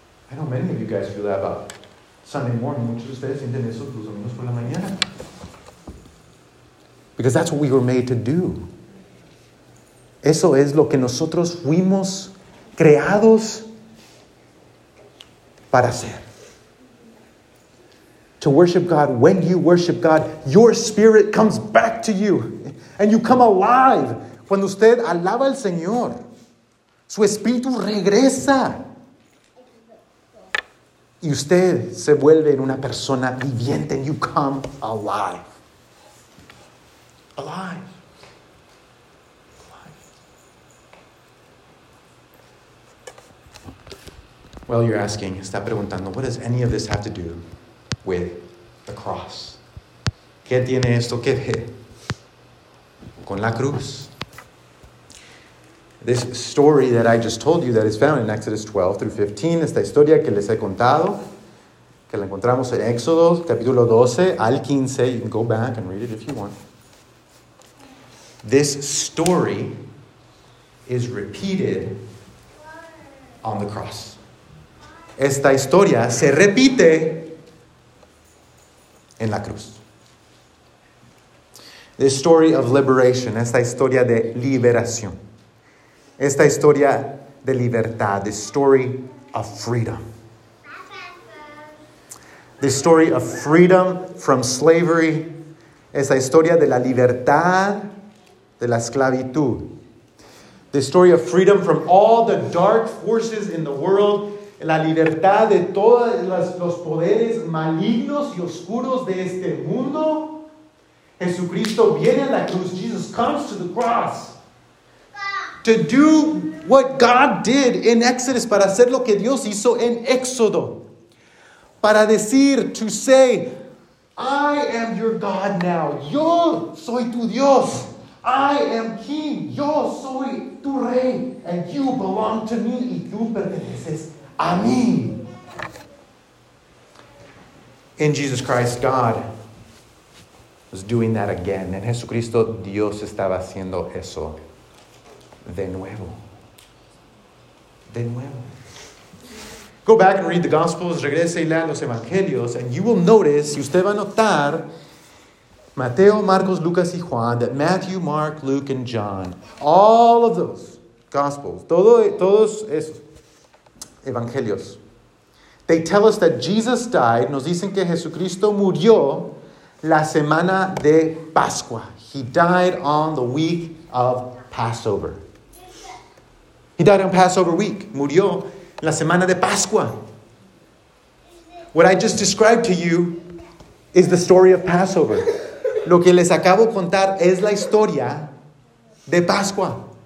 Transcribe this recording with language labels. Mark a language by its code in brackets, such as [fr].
[en] I know many of you guys feel that about Sunday morning. [es] Muchos de ustedes sienten eso los domingos por la mañana. [en] Because that's what we were made to do. [es] Eso es lo que nosotros fuimos creados para hacer. [en] To worship God. When you worship God, your spirit comes back to you. And you come alive. [es] Cuando usted alaba al Señor, su espíritu regresa. Y usted se vuelve en una persona viviente. [en] And you come alive. Alive. Well, you're asking, [es] está preguntando, [en] what does any of this have to do with the cross? [es] ¿Qué tiene esto que ver con la cruz? [en] This story that I just told you that is found in Exodus 12 through 15, [es] esta historia que les he contado, que la encontramos en Éxodo, capítulo 12 al 15, [en] you can go back and read it if you want. This story is repeated on the cross. [es] Esta historia se repite en la cruz. [en] This story of liberation, [es] esta historia de liberación. Esta historia de libertad, [en] this story of freedom. This story of freedom from slavery, [es] esta historia de la libertad de la esclavitud. [en] The story of freedom from all the dark forces in the world. [es] La libertad de todos los poderes malignos y oscuros de este mundo. Jesucristo viene a la cruz. [en] Jesus comes to the cross. To do what God did in Exodus. [es] Para hacer lo que Dios hizo en Éxodo. Para decir, [en] to say, I am your God now. [es] Yo soy tu Dios. [en] I am king, [es] yo soy tu rey, [en] and you belong to me, [es] y tú perteneces a mí. [en] In Jesus Christ, God was doing that again. [es] En Jesucristo, Dios estaba haciendo eso de nuevo. De nuevo. [en] Go back and read the Gospels, [es] regrese y lea los Evangelios, [en] and you will notice, [es] si usted va a notar, Mateo, Marcos, Lucas y Juan, [en] that Matthew, Mark, Luke, and John, all of those Gospels, [es] todos esos Evangelios, [en] they tell us that Jesus died, [es] nos dicen que Jesucristo murió la semana de Pascua. [en] He died on the week of Passover. He died on Passover week. [es] Murió la semana de Pascua. [en] What I just described to you is the story of Passover. [es] Lo que les acabo de contar es la historia de Pascua.